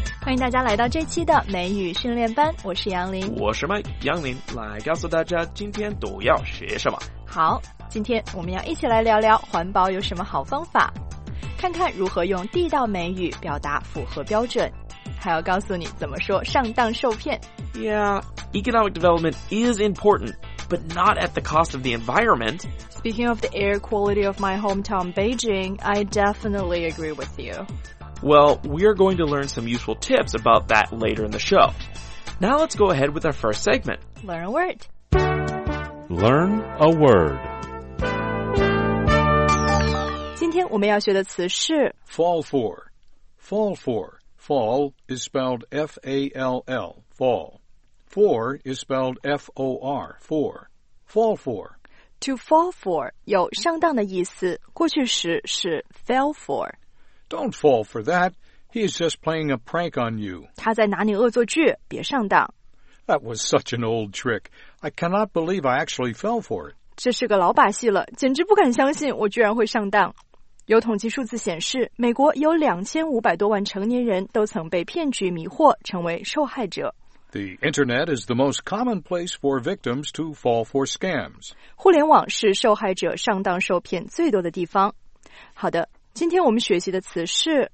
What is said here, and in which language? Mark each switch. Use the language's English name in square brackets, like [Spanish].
[Chinese] 迎大家来到这期的美语训练班，我是杨林。我是麦杨林，来告诉大家今天都要学什么。好，今天我们要一起来聊聊环保有什么好方法，看看如何用地道美语表达符合标准，还要告诉你怎么说上当受骗。 [English] Yeah, economic development is important, but not at the cost of the environment. Speaking of the air quality of my hometown Beijing, I definitely agree with you. Well, we are going to learn some useful tips about that later in the show. Now let's go ahead with our first segment. Learn a word. Learn a word. [Chinese] 今天我们要学的词是 [English] Fall for. Fall for. Fall is spelled F-A-L-L, fall. For is spelled F-O-R, for. Fall for. To fall for [Chinese] 有上当的意思，过去时是 [English] fell for. Don't fall for that. He is just playing a prank on you. [Chinese] 他在拿你恶作剧，别上当。 [English] That was such an old trick. I cannot believe I actually fell for it. [Chinese] 这是个老把戏了，简直不敢相信我居然会上当。有统计数字显示，美国有2500多万成年人都曾被骗局迷惑，成为受害者。 [English] The internet is the most common place for victims to fall for scams. [Chinese] 互联网是受害者上当受骗最多的地方。好的，今天我们学习的词是